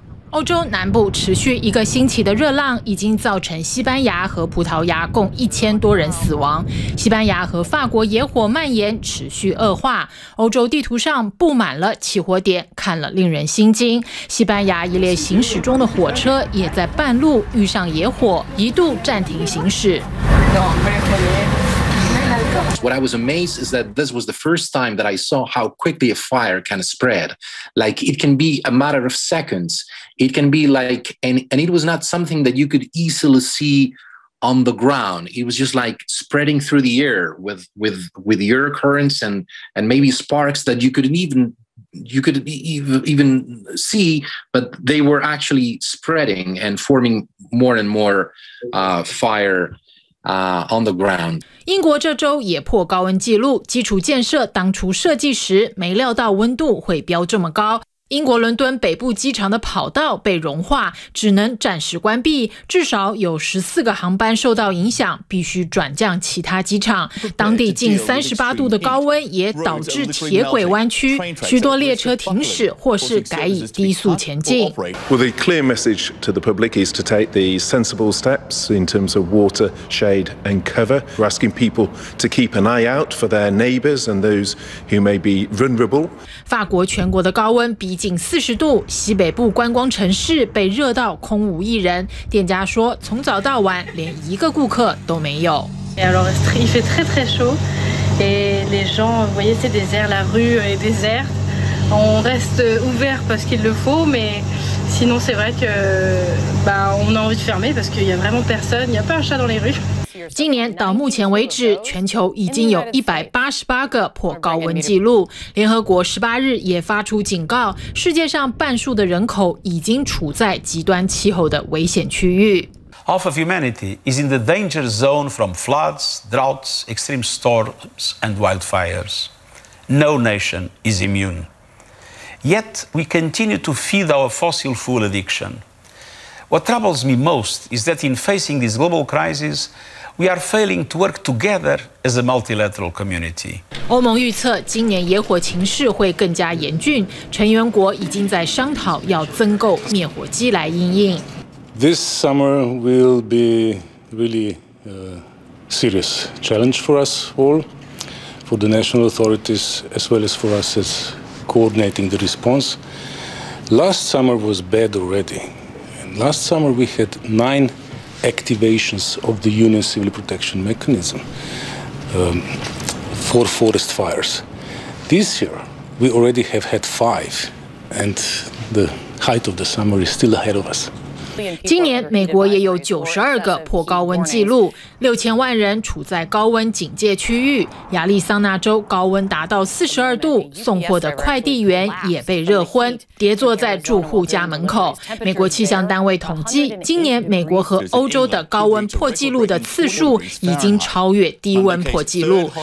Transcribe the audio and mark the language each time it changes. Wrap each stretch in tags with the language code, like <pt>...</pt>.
<zh>欧洲南部持续一个星期的热浪已经造成西班牙和葡萄牙共1000多人死亡，西班牙和法国野火蔓延持续恶化，欧洲地图上布满了起火点，看了令人心惊。西班牙一列行驶中的火车也在半路遇上野火，一度暂停行驶。</zh> <en>What I was amazed is that this was the first time that I saw how quickly a fire can spread. Like it can be a matter of seconds. It can be like, and it was not something that you could easily see on the ground. It was just like spreading through the air with air currents and maybe sparks that you couldn't even see, but they were actually spreading and forming more and more fire. On the ground.</en> <zh>英国这周也破高温记录，基础建设当初设计时没料到温度会飙这么高。英国伦敦北部机场的跑道被融化，只能暂时关闭，至少有14个航班受到影响，必须转降其他机场。当地近38度的高温也导致铁轨弯曲，许多列车停驶或是改以低速前进。</zh> <en>Well, the clear message to the public is to take the sensible steps in terms of water, shade, and cover. We're asking people to keep an eye out for their neighbors and those who may be vulnerable.</en> <zh>法国全国的高温比。逼近40度，西北部观光城市被热到空无一人。店家说，从早到晚连一个顾客都没有。</zh> <fr>Il fait très très chaud et les gens, vous voyez, c'est désert, la rue est déserte. On reste ouvert parce qu'il le faut, mais sinon c'est vrai que on a envie de fermer parce qu'il y a vraiment personne, il y a pas un chat dans les rues.</fr> <zh>今年到目前为止，全球已经有188个破高温记录。联合国18日也发出警告，世界上半数的人口已经处在极端气候的危险区域。</zh> <en>Half of humanity is in the danger zone from floods, droughts, extreme storms, and wildfires. No nation is immune. Yet we continue to feed our fossil fuel addiction. What troubles me most is that in facing this global crisis. We are failing to work together as a multilateral community.</en> <zh>欧盟预测今年野火情势会更加严峻，成员国已经在商讨要增购灭火机来因应。</zh> <en>This summer will be really serious challenge for us all, for the national authorities, as well as for us as coordinating the response. Last summer was bad already. And last summer we had 9 activations of the Union Civil Protection Mechanism for forest fires. This year we already have had 5, and the height of the summer is still ahead of us.</en> <zh>今年美国也有92个破高温记录，6000万人处在高温警戒区域。亚利桑那州高温达到42度，送货的快递员也被热昏，跌坐在住户家门口。美国气象单位统计，今年美国和欧洲的高温破纪录的次数已经超越低温破纪录。</zh>